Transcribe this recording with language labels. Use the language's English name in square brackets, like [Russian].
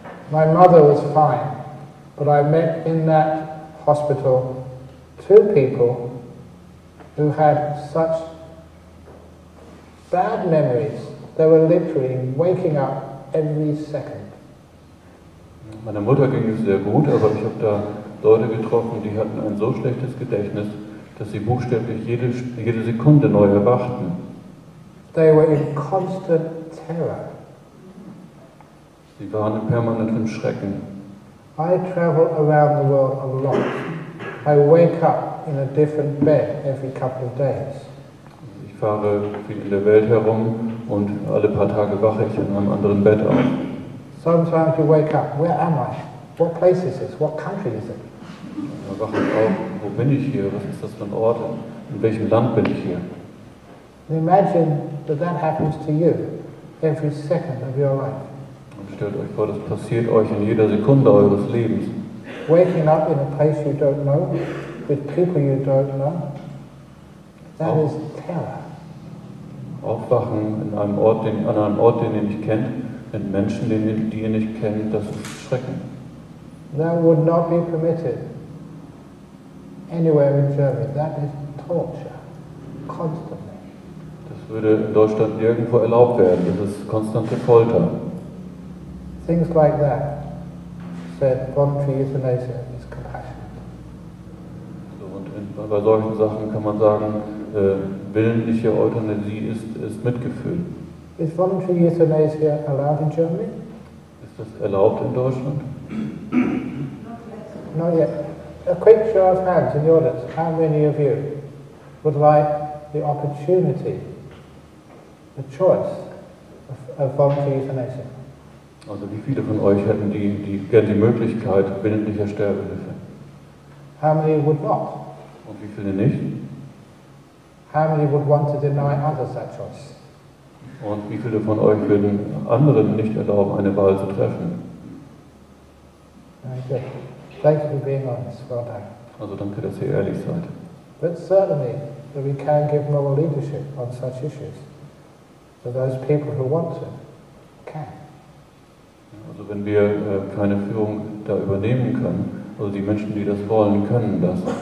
[English] My mother was fine, but I met in that hospital two people who had such bad memories. They were literally waking up every second. [German] Meine Mutter ging es sehr gut, aber ich habe da Leute getroffen, die hatten ein so schlechtes Gedächtnis, dass sie buchstäblich jede Sekunde neu erwachten. [English] They were in constant terror. [German] Sie waren in permanentem Schrecken. [English] I travel around the world a lot. I wake up in a different bed every couple of days. [German] Ich fahre viel in der Welt herum und alle paar Tage wache ich in einem anderen Bett auf. [English] Sometimes you wake up, where am I? What place is this? What country is it? [German] Dann wache ich auf, wo bin ich hier? Was ist das für ein Ort? In welchem Land bin ich hier? [English] Imagine that that happens to you every second of your life. [German] Und stellt euch vor, das passiert euch in jeder Sekunde eures Lebens. [English] Waking up in a place you don't know, with people you don't know, that is terror. [German] Aufwachen in einem Ort, an einem Ort, den ihr nicht kennt, mit Menschen, die ihr nicht kennt, das ist Schrecken. [English] That would not be permitted anywhere in Germany. That is torture, constantly. [German] Das würde in Deutschland nirgendwo erlaubt werden. Das ist konstante Folter. [English] Things like that. Said voluntary euthanasia is compassionate. [German] So, und bei solchen Sachen kann man sagen, willentliche Euthanasie ist Mitgefühl. [English] Is voluntary euthanasia allowed in Germany? [German] Ist das erlaubt in Deutschland? [English] Not yet. A quick show of hands in the audience. How many of you would like the opportunity, the choice of voluntary euthanasia? [German] Also wie viele von euch hätten gerne die Möglichkeit willentlicher Sterbehilfe? [English] How many would not? [German] Und wie viele nicht? [English] How many would want to deny others that choice? [German] Und wie viele von euch würden anderen nicht erlauben, eine Wahl zu treffen? [English] Very good. Thank you for being honest. Well done. [German] Also danke, dass ihr ehrlich seid. [English] But certainly that we can give moral leadership on such issues. So those people who want to can. [German] Also wenn wir keine Führung da übernehmen können, also die Menschen, die das wollen, können das.